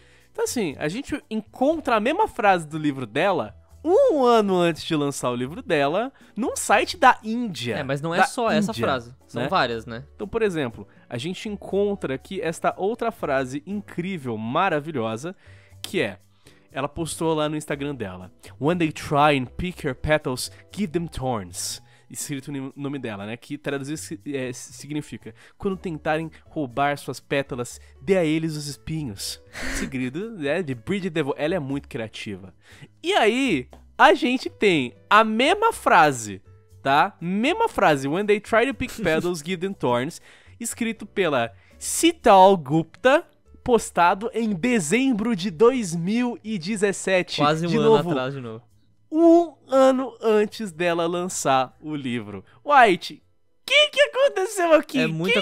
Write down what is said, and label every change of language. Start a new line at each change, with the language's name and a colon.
Portuguese: Então assim, a gente encontra a mesma frase do livro dela um ano antes de lançar o livro dela num site da Índia. É, mas não é só essa frase, são várias, né? Então, por exemplo, a gente encontra aqui esta outra frase incrível, maravilhosa, que é... Ela postou lá no Instagram dela.
English: When they try and pick your petals, give them thorns.
Portuguese: Escrito no nome dela, né? Que traduzir significa... Quando tentarem roubar suas pétalas, dê a eles os espinhos. Seguido de Bridget DeVoe. Ela é muito criativa. E aí, a gente tem a mesma frase, tá? Mesma frase.
English: When they try to pick petals, give them thorns.
Portuguese: Escrito pela Sital Gupta... postado em dezembro de 2017. Quase um ano atrás de novo. Um ano antes dela lançar o livro. White, o que aconteceu aqui? É muita